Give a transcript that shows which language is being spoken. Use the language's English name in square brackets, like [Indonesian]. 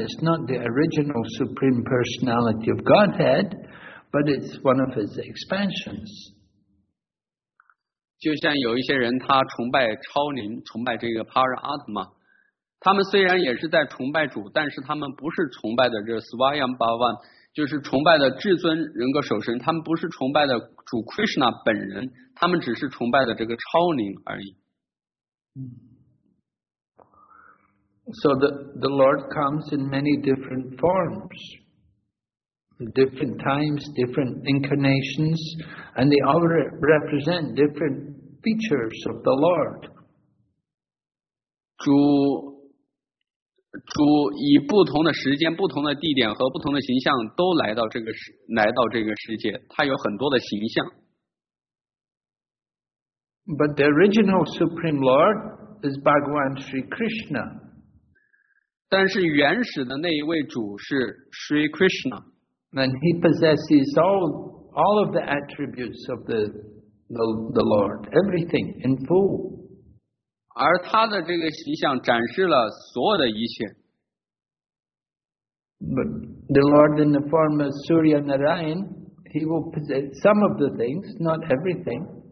[English] It's not the original Supreme Personality of Godhead, but it's one of his expansions. [Chinese] 就像有一些人，他崇拜超灵，崇拜这个 Paramatma， 他们虽然也是在崇拜主，但是他们不是崇拜的这 Swayam Bhagavan， 就是崇拜的至尊人格守神，他们不是崇拜的主 Krishna 本人。他们只是崇拜的这个超灵而已。 [English] So the Lord comes in many different forms, different times, different incarnations, and they all represent different features of the Lord. [Chinese] 主以不同的时间、不同的地点和不同的形象都来到这个世界，他有很多的形象。 [English] But the original Supreme Lord is Bhagavan Sri Krishna. [Chinese] 但是原始的那一位主是 Sri Krishna. [English] And he possesses all of the attributes of the Lord, everything in full. [Chinese] 而他的这个形象展示了所有的一切。 [English] But the Lord in the form of Surya Narayan, he will possess some of the things, not everything.